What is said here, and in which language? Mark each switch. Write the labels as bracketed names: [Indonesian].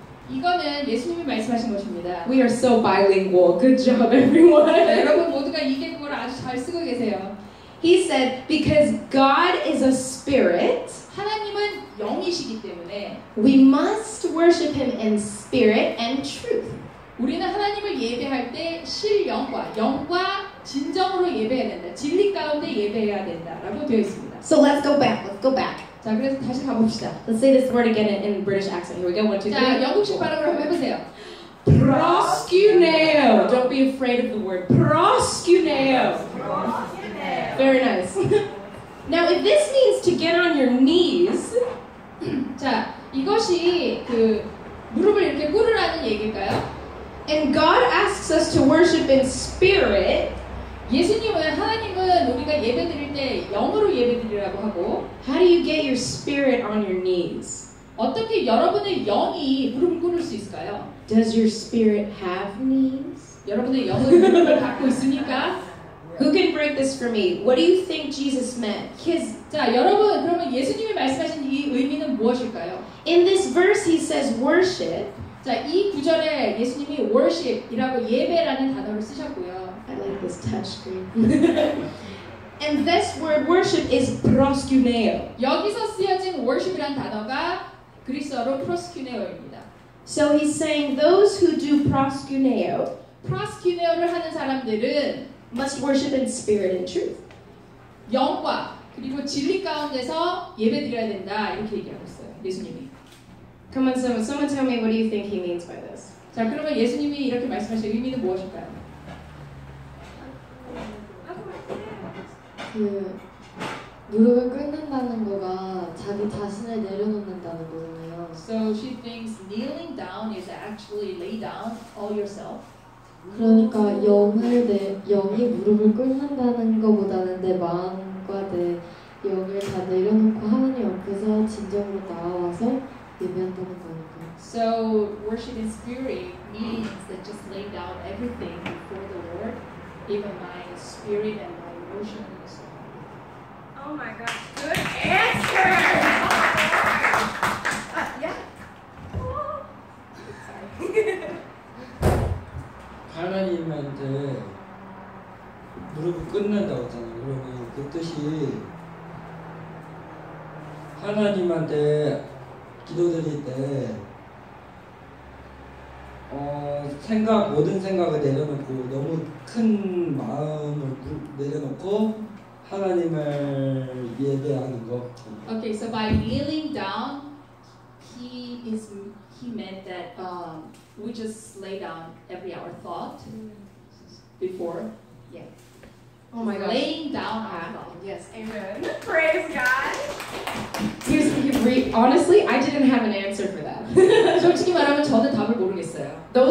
[Korean] 이거는 예수님이 말씀하신 것입니다. [English] We are so bilingual. Good job, everyone. [Korean] 여러분 모두가 이게 그걸 아주 잘 쓰고 계세요. [English] He said, because God is a spirit, [Korean] 하나님은 영이시기 때문에, [English] we must worship him in spirit and truth. [Korean] 우리는 하나님을 예배할 때 실영과 영과 진정으로 예배해야 된다. 진리 가운데 예배해야 된다라고 되어 있습니다. [English] So let's go back. Let's go back. [Korean] 자, 그래서 다시 가봅시다. [English] Let's say this word again in British accent. Here we go. 1, 2, 3. [Korean] 자, 영국식 발음으로 한번 해보세요. [English] Proskuneo. Don't be afraid of the word. Proskuneo. Proskuneo. Very nice. Now, if this means to get on your knees, [Korean] 자, 이것이 그 무릎을 이렇게 꿇으라는 얘기일까요? [English] And God asks us to worship in spirit. [Korean] 예수님은 하나님은 우리가 예배드릴 때 영으로 예배드리라고 하고 [English] How do you get your spirit on your knees? [Korean] 어떻게 여러분의 영이 무릎을 꿇을 수 있을까요? [English] Does your spirit have knees? [Korean] 여러분의 영은 무릎을 갖고 있습니까? [English] Who can break this for me? What do you think Jesus meant? [Korean] His, 자, 여러분 그러면 예수님이 말씀하신 이 의미는 무엇일까요? [English] In this verse he says worship. [Korean] 자, 이 구절에 예수님이 worship이라고 예배라는 단어를 쓰셨고요. [English] I like this touch screen. And this word worship is proskuneo. [Korean] 여기서 쓰여진 worship이란 단어가 그리스어로 proskuneo입니다. [English] So he's saying those who do proskuneo, [Korean] proskuneo를 하는 사람들은 [English] must worship in spirit and truth. [Korean] 영과 그리고 진리 가운데서 예배드려야 된다 이렇게 얘기하고 있어요. 예수님이. [English] Come on, someone tell me what do you think he means by this? [Korean] 자, 그러면 예수님이 이렇게 말씀하신 의미는 무엇일까요? 그 무릎을 꿇는다는 거가 자기 자신을 내려놓는다는 거잖아요. [English] So she thinks kneeling down is actually lay down all yourself. [Korean] 그러니까 영이 무릎을 꿇는다는 거보다는 내 마음과 내 영을 다 내려놓고 하나님 옆에서 진정으로 나와서 예배한다는 거니까. [English] So worship in spirit means that just lay down everything before the Lord, even my spirit and my emotions. Oh my gosh, good answer! Oh, yeah? Oh. Sorry. [Korean] 하나님한테 무릎을 끊는다고 했잖아요. 그러면 그 뜻이 하나님한테 기도드릴 때 모든 생각을 내려놓고 너무 큰 마음을 내려놓고 하나님을 예배하는 거. [English] Okay, so by kneeling down, he meant that we just lay down every our thought before. Yeah. Oh my God. Laying down our thought. Yes. Amen. Praise God. Honestly, I didn't have an answer for that. [Korean] 솔직히 말하면 저는 답을 모르겠어요.